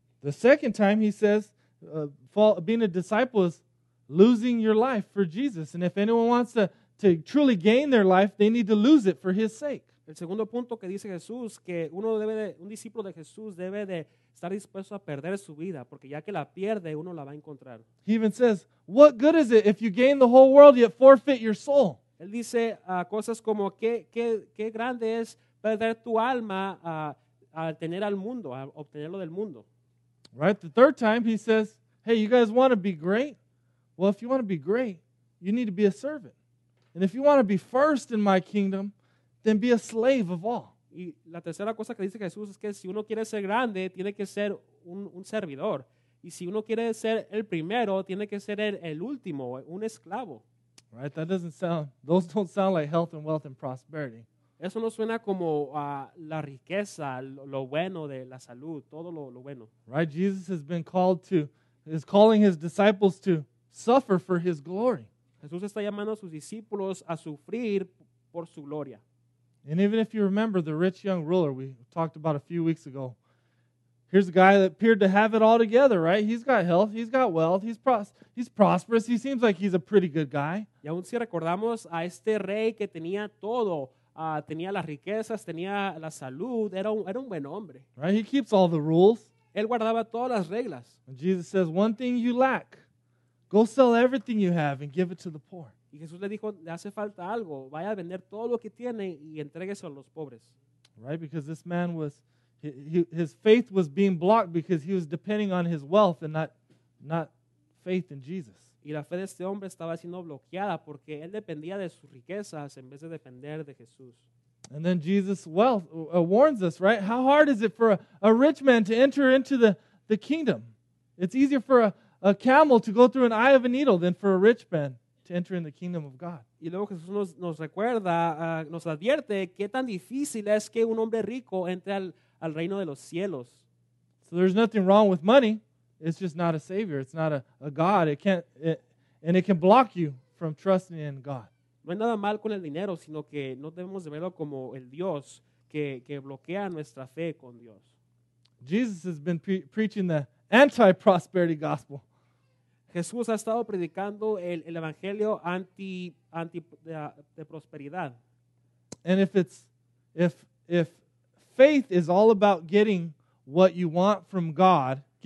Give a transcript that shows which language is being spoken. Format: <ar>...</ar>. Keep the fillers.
<en>The second time he says, uh, fall, being a disciple is losing your life for Jesus. And if anyone wants to, to truly gain their life, they need to lose it for his sake.</en> <es>El segundo punto que dice Jesús, que uno debe de, un discípulo de Jesús debe de estar dispuesto a perder su vida, porque ya que la pierde, uno la va a encontrar.</es> <en>He even says, what good is it if you gain the whole world yet forfeit your soul?</en> <es>Él dice uh, cosas como, ¿qué, qué, qué grande es perder tu alma uh, al tener al mundo, a obtenerlo del mundo.</es> <en>Right? The third time, he says, Hey, you guys want to be great? Well, if you want to be great, you need to be a servant. And if you want to be first in my kingdom, then be a slave of all.</en> <es>Y la tercera cosa que dice Jesús es que si uno quiere ser grande, tiene que ser un, un servidor. Y si uno quiere ser el primero, tiene que ser el, el último, un esclavo.</es> <en>Right? That doesn't sound, those don't sound like health and wealth and prosperity.</en> <es>Eso no suena como uh, la riqueza, lo, lo, bueno de la salud, todo lo, lo, bueno.</es> <en>Right, Jesus has been called to, is calling his disciples to suffer for his glory.</en> <es>Jesús está llamando a sus discípulos a sufrir por su gloria.</es> <en>And even if you remember the rich young ruler we talked about a few weeks ago, here's a guy that appeared to have it all together, right? He's got health, he's got wealth, he's, pros- he's prosperous, he seems like he's a pretty good guy.</en> <es>Y aún si recordamos a este rey que tenía todo, uh, tenía las riquezas, tenía la salud, era un, era un, buen hombre.</es> <en>Right? He keeps all the rules.</en> <es>Él guardaba todas las reglas.</es> <en>And Jesus says, one thing you lack, go sell everything you have and give it to the poor.</en> <es>Y Jesús le dijo, le hace falta algo, vaya a vender todo lo que tiene y entregueso a los pobres.</es> <en>Right, because this man was, he, he, his faith was being blocked because he was depending on his wealth and not, not faith in Jesus.</en> <es>Y la fe de este hombre estaba siendo bloqueada porque él dependía de sus riquezas en vez de depender de Jesús.</es> <en>And then Jesus wealth warns us, right? How hard is it for a, a, rich man to enter into the, the kingdom? It's easier for a, a, camel to go through an eye of a needle than for a rich man to enter in the kingdom of God.</en> <es>Y luego Jesús nos, nos recuerda, uh, nos advierte qué tan difícil es que un hombre rico entre al, al reino de los cielos.</es> <en>So there's nothing wrong with money it's just not a savior it's not a, a god it can't it, and it can block you from trusting in god</en> <es>no hay nada mal con el dinero sino que no debemos de verlo como el dios que, que bloquea nuestra fe con dios</es> <en>jesus has been pre- preaching the anti prosperity gospel</en> <es>jesús ha estado predicando el, el anti anti de, de</es> <en>and if it's if if faith is all about getting what you want from god</en>